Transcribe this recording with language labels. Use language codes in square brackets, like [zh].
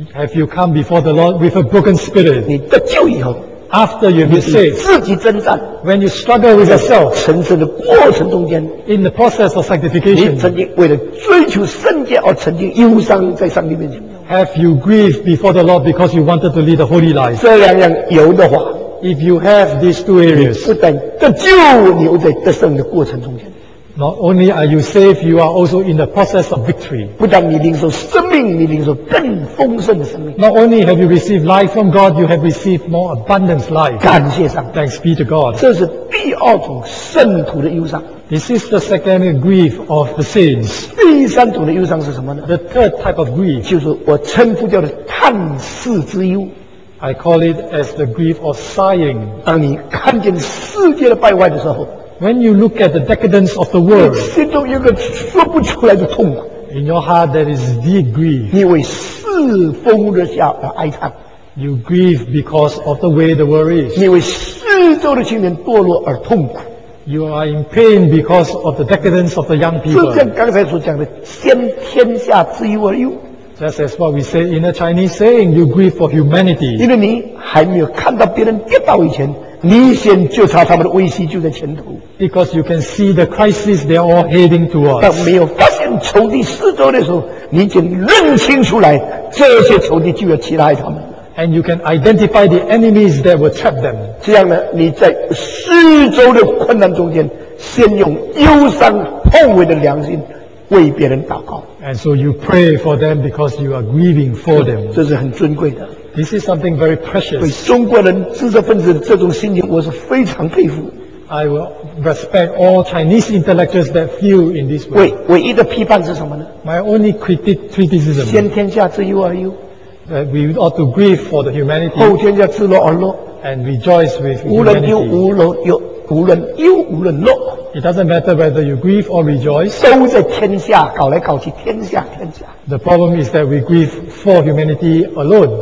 [en] ？Have you come before the Lord with a broken spirit? [zh] 你得救以后 [en] ，after you be saved, [zh] 自己征战 [en] ，when you struggle with yourself, [zh] 神圣的过程中间 [en] ，in the process of sanctification, [zh] 你曾经为了追求圣洁而曾经忧伤在上帝面前没有 [en] ？Have you grieved before the Lord because you wanted to lead a holy life? [zh] 这两样有的话 [en] ，if you have these two areas, [zh] 不但得救，你又在得胜的过程中间。 [en] Not only are you saved, you are also in the process of victory. [zh] 不但你领受生命，你领受更丰盛的生命。 [en] Not only have you received life from God, you have received more abundant life. [zh] 感谢上帝。 [en] Thanks be to God. [zh] 这是第二种圣徒的忧伤。 [en] This is the second grief of the saints. [zh] 第三种的忧伤是什么呢？ [en] The third type of grief. [zh] 就是我称呼叫的叹世之忧。 [en] I call it as the grief of sighing. [zh] 当你看见世界的败坏的时候， [en] When you look at the decadence of the world, [zh] 你心中有个说不出来的痛苦。 [en] In your heart, there is deep grief. [zh] 你为世风日下而哀叹。 [en] You grieve because of the way the world is. [zh] 你为世俗的青年堕落而痛苦。 [en] You are in pain because of the decadence of the young people. [zh] 就像刚才所讲的，先天下之忧而忧。 [en] Just as what we say in a Chinese saying, you grieve for humanity. [zh] 因为你还没有看到别人跌倒以前，你先就察他们的危机就在前头。 [en] Because you can see the crisis they are all heading towards. [zh] 当没有发现仇敌四周的时候，你已经认清出来这些仇敌就要击败他们。 [en] And you can identify the enemies that will trap them. [zh] 这样呢，你在四周的困难中间，先用忧伤后悔的良心。为别人祷告 [en] ，and so you pray for them because you are grieving for them. [zh] 这是很尊贵的。 [en] This is something very precious. [zh] 对中国人知识分子的这种心情，我是非常佩服。 [en] I will respect all Chinese intellectuals that feel in this way. [zh] 唯一的批判是什么呢 [en] ？My only criticism. [zh] 先天下之忧而忧。 [en] That we ought to grieve for the humanity. [zh] 后天下之乐而乐。 [en] And rejoice with humanity. [zh] 无论忧无论乐。 [en] It doesn't matter whether you grieve or rejoice. [zh] 都在天下搞来搞去，天下。 [en] The problem is that we grieve for humanity alone.